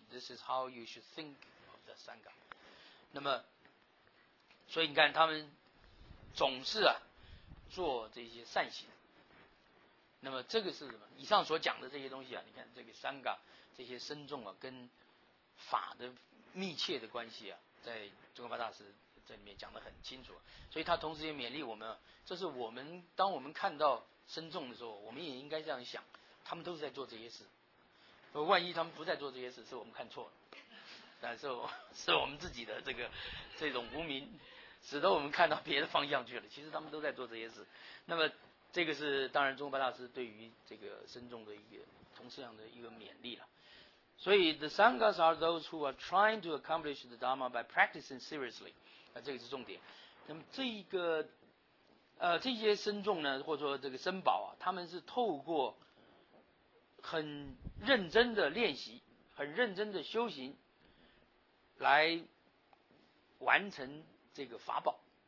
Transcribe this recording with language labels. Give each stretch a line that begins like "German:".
English: This is how you should think of the Sangha.
Chinese: 那么，所以你看他们总是啊做这些善行。那么这个是什么？以上所讲的这些东西啊，你看这个三嘎这些僧众啊，跟法的密切的关系啊，在中国法大师这里面讲得很清楚。所以他同时也勉励我们，这是我们当我们看到僧众的时候，我们也应该这样想，他们都是在做这些事。万一他们不在做这些事，是我们看错了，但是我们自己的这种无明，使得我们看到别的方向去了。其实他们都在做这些事。那么。这个是当然中国大师对于这个僧众的一个同事上的一个勉励了。
English: 所以 the sanghas are those who are trying to accomplish the Dharma by practicing seriously，
Chinese: 那这个是重点。那么这一个这些僧众呢，或者说这个僧宝啊，他们是透过很认真的练习，很认真的修行来完成这个法宝。